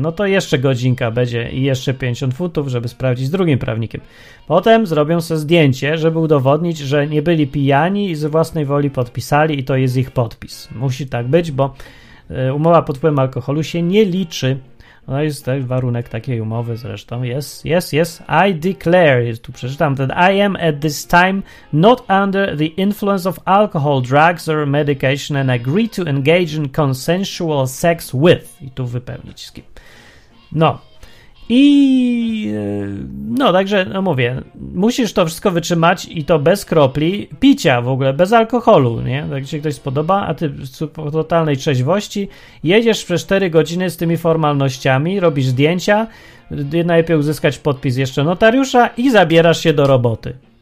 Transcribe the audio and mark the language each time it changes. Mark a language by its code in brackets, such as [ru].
[pl] No to jeszcze godzinka będzie i jeszcze 50 funtów, żeby sprawdzić z drugim prawnikiem. Potem zrobią sobie zdjęcie, żeby udowodnić, że nie byli pijani i ze własnej woli podpisali i to jest ich podpis. Musi tak być, bo umowa pod wpływem alkoholu się nie liczy. No jest też warunek takiej umowy zresztą. [en] Yes. I declare, [pl] tu przeczytam, [en] that I am at this time not under the influence of alcohol, drugs or medication and agree to engage in consensual sex with. [pl] I tu wypełnić skip. No. I no, także, no mówię, musisz to wszystko wytrzymać i to bez kropli picia w ogóle, bez alkoholu, nie? Jak się ktoś spodoba, a ty w totalnej trzeźwości jedziesz przez 4 godziny z tymi formalnościami, robisz zdjęcia, najpierw uzyskać podpis jeszcze notariusza i zabierasz się do roboty.